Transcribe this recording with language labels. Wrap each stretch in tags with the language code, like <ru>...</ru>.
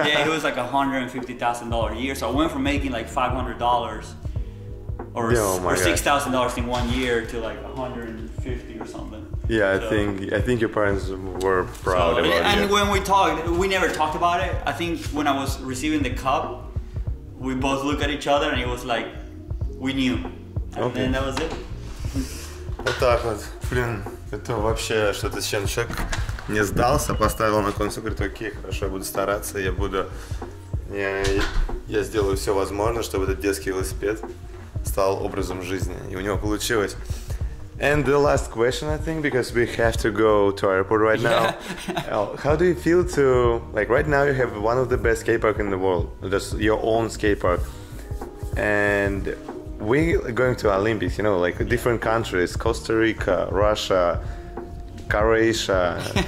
<en>Yeah, it was like $150,000 a year. So I went from making like $500 or $6,000 in 1 year to like 150 or something. Yeah, so, I think your parents were proud of it. And when we talked, we never talked about it. I think when I was receiving the cup, we both looked at each other and it was like, we knew. And okay. Then that was it.</en> <ru>Вот так вот. Блин, это вообще что-то с чем человек. Не сдался, поставил на кон, говорит, окей, хорошо, я буду стараться, я сделаю все возможное, чтобы этот детский велосипед стал образом жизни, и у него получилось.</ru> <en>And the last question, I think, because we have to go to airport right now. How do you feel to, like, right now you have one of the best skate park in the world, just your own skate park, and we going to Olympics, you know, like different countries, Costa Rica, Russia, Croatia.</en>